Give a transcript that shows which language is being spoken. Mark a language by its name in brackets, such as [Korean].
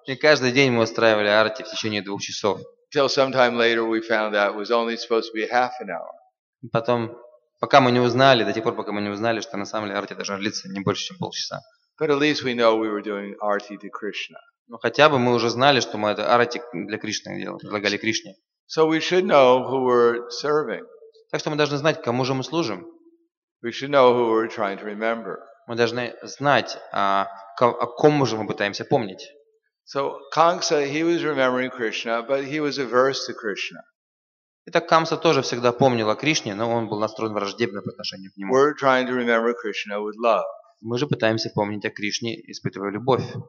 [Russian] И каждый день мы устраивали арти в течение 2 часов. [English] Till sometime later we found out it was only supposed to be half an hour. [Russian] Потом, пока мы не узнали, до тех пор, пока мы не узнали, что на самом деле арти должна длиться не больше, чем 30 минут. [English] But at least we know we were doing arti to Krishna. [Russian] Но хотя бы мы уже знали, что мы это арати для Кришны делали, предлагали Кришне. [English] So we should know who we're serving. [Russian] Так что мы должны знать, кому же мы служим. [English] We should know who we're trying to remember. [Russian] Мы должны знать, о ком же мы пытаемся помнить. [English] So Kamsa, he was remembering Krishna, but he was averse to Krishna. [Russian] Итак, Камса тоже всегда помнил о Кришне, но он был настроен враждебно по отношению к нему. [English] We're trying to remember Krishna with love. [Russian] Мы же пытаемся помнить о Кришне, испытывая любовь.